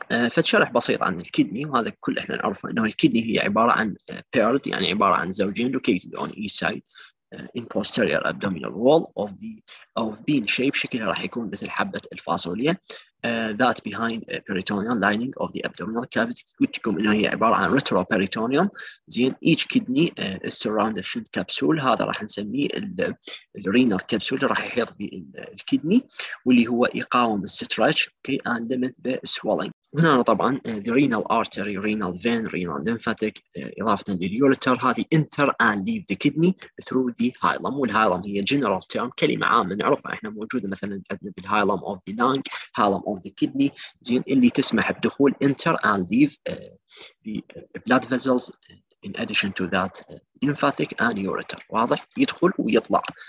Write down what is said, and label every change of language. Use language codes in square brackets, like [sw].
[ar] فتشرح بسيط عن الكيدني، وهذا كل احنا نعرفه انه الكيدني هي عباره عن paired، يعني عباره عن زوجين [en] located on east side in posterior abdominal wall of the of bean shape، [ar] شكلها راح يكون مثل حبة الفاصوليا، [en] that behind peritoneal lining of the abdominal cavity. [ar] قلت لكم انها هي عبارة عن retroperitoneum. زين، [en] each kidney is surrounded with thin capsule، [ar] هذا راح نسميه ال renal capsule اللي راح يحيط بالكيدني، واللي هو يقاوم الستريتش، [en] okay, and limit the swelling. هنا طبعا the renal artery, renal vein, renal lymphatic، إضافة للureter، هذه enter and leave the kidney through the hilum، والهايلم هي general term، [ar] كلمة عامة نعرفها احنا، موجودة مثلا عندنا بالهايلم [en] of the lung, hilum of the kidney، [ar] زين، اللي تسمح بدخول [en] enter and leave the blood vessels in addition to that lymphatic and ureter، [ar] واضح؟ يدخل ويطلع